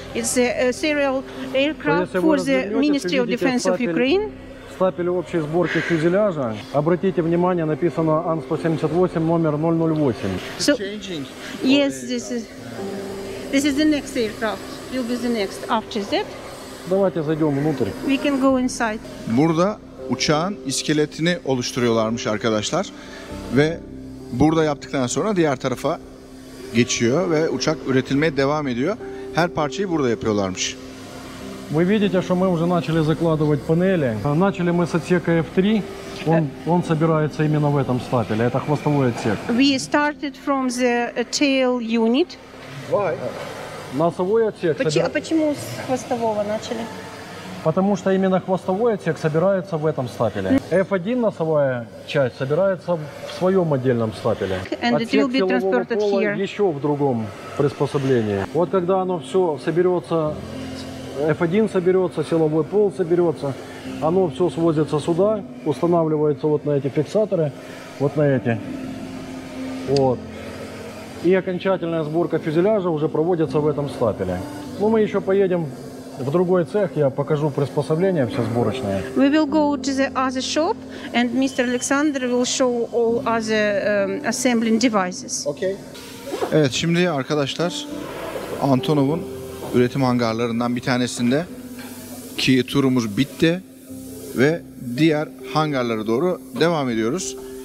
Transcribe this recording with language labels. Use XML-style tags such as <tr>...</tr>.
<en>It's a serial aircraft for the Ministry of Defense of Ukraine.</en> <ru>Стапель общей сборки фюзеляжа. Обратите внимание, написано АН-178 номер 008.</ru> <en>So, yes, this is the next aircraft. You'll be the next after that.</en> <ru>Давайте зайдем внутрь.</ru> <en>We can go inside.</en> <tr>Burada uçağın iskeletini oluşturuyorlarmış arkadaşlar ve burada yaptıktan sonra diğer tarafa geçiyor ve uçak üretilmeye devam ediyor. Her parçayı burada yapıyorlarmış.</tr> <ru>Вы видите, что мы уже начали закладывать панели. Начали мы с отсека F3. Он собирается именно в этом стапеле. Это хвостовой отсек.</ru> <en>We started from the tail unit. Why?</en> <ru>Носовой отсек. Почему с хвостового начали? Потому что именно хвостовой отсек собирается в этом стапеле. F1 носовая часть собирается в своем отдельном стапеле.</ru> <en>And</en> <ru>отсек</ru> <en>it will be transported</en> <ru>силового пола</ru> <en>here.</en> <ru>Еще в другом приспособлении. Вот когда оно все соберется... F1 соберется, силовой пол соберется, оно все свозится сюда, устанавливается вот на эти фиксаторы, вот на эти, вот. И окончательная сборка фюзеляжа уже проводится в этом стапеле. Ну, мы еще поедем в другой цех, я покажу приспособления все сборочные.</ru> <en>We will go to the other shop and Mr. Alexander will show all other assembling devices. Okay.</en> <tr>Evet, şimdi arkadaşlar Antonov'un üretim hangarlarından bir tanesinde ki turumuz bitti ve diğer hangarlara doğru devam ediyoruz.</tr>